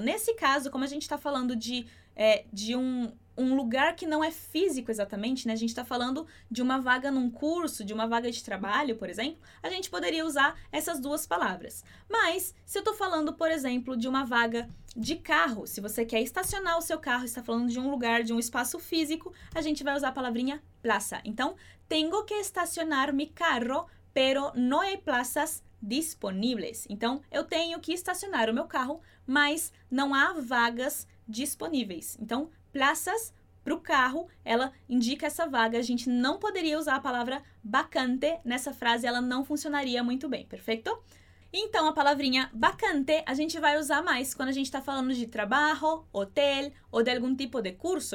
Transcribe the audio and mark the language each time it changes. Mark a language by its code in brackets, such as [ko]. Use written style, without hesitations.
[pt] Nesse caso, como a gente está falando de um lugar que não é físico exatamente, né? A gente está falando de uma vaga num curso, de uma vaga de trabalho, por exemplo, a gente poderia usar essas duas palavras. Mas, se eu estou falando, por exemplo, de uma vaga de carro, se você quer estacionar o seu carro, está falando de um lugar, de um espaço físico, a gente vai usar a palavrinha plaza. [es] Então, tengo que estacionar mi carro, pero no hay plazas disponibles. [pt] Então, eu tenho que estacionar o meu carro, mas não há vagas disponíveis. Então, plazas para o carro, ela indica essa vaga. A gente não poderia usar a palavra vacante nessa frase, ela não funcionaria muito bem, perfeito? Então, a palavrinha vacante a gente vai usar mais quando a gente está falando de trabalho, hotel ou de algum tipo de curso.